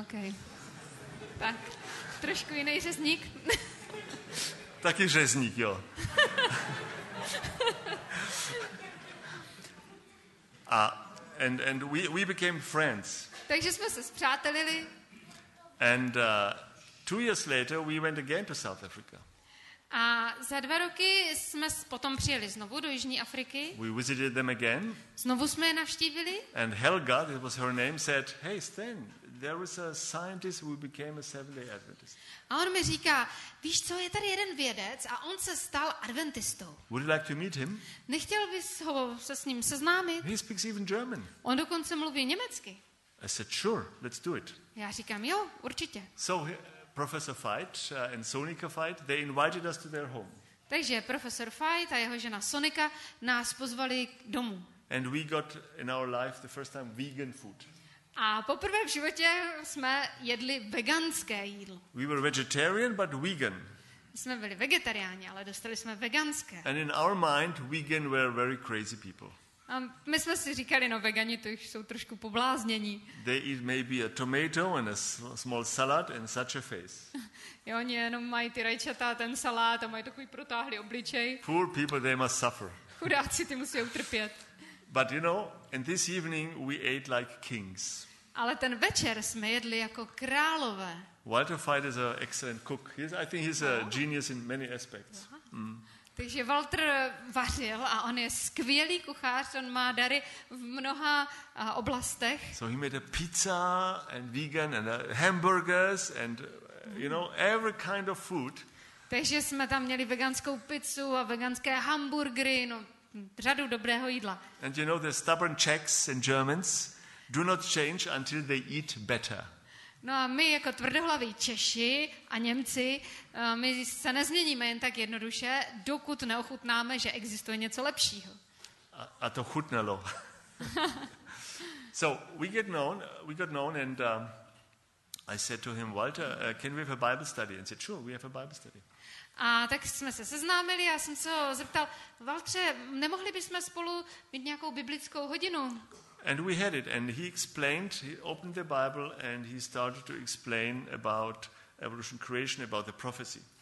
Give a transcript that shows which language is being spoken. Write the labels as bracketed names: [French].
[Czech] Okay. Tak, trošku jiný řezník. Taky řezník, jo. [English] And we became friends. [Czech] Takže jsme se spřátelili. [English] And 2 years later we went again to South Africa. [Czech] A za 2 roky jsme potom přijeli znovu do Jižní Afriky. [English] We visited them again. [Czech] Znovu jsme je navštívili. [English] And Helga, it was her name, said, "Hey Sten, there was a scientist who became a Seventh-day Adventist." [Czech] A on mi říká, víš co, je tady jeden vědec a on se stal adventistou. [English] Would you like to meet him? [Czech] Nechtěl bys ho se s ním seznámit? [English] He speaks even German. [Czech] On dokonce mluví německy. [English] I said, sure, let's do it. [Czech] Já říkám, jo, určitě. [English] So Professor Veit and Sonika Veit, they invited us to their home. [Czech] Takže profesor Veit a jeho žena Sonika nás pozvali k domu. [English] And we got in our life the first time vegan food. [Czech] A poprvé v životě jsme jedli veganské jídlo. [English] We were vegetarian but vegan. [Czech] Jsme byli vegetariáni, ale dostali jsme veganské. [English] And in our mind vegan were very crazy people. [Czech] A my jsme si říkali, no vegani to jsou trošku pobláznění. [English] They eat maybe a tomato and a small salad and such a face. [Czech] Jo, oni jenom mají ty rajčata, ten salát a mají takový protáhlý obličej. [English] Poor people, they must suffer. [Czech] Chudáci, ty musí utrpět. [English] But you know, and this evening we ate like kings. [Czech] Ale ten večer jsme jedli jako králové. [English] Walter Veit is an excellent cook. I think he's a genius in many aspects. [Czech] Takže Walter vařil a on je skvělý kuchař, on má dary v mnoha oblastech. [English] So he made a pizza and vegan and hamburgers and you know every kind of food. [Czech] Takže jsme tam měli veganskou pizzu a veganské hamburgery, no řadu dobrého jídla. [English] And you know the stubborn Czechs and Germans do not change until they eat better. [Czech] No a my jako tvrdohlaví Češi a Němci, my se nezměníme jen tak jednoduše, dokud neochutnáme, že existuje něco lepšího. A to chutnalo. [English] So we got known and I said to him, Walter, can we have a Bible study? And he said, sure, we have a Bible study. [Czech] A tak jsme se seznámili, já jsem se ho zeptal, Walter, nemohli bychom spolu mít nějakou biblickou hodinu? [English] And we had it, and he explained, he opened the Bible, and he started to explain about evolution, creation, about the prophecy.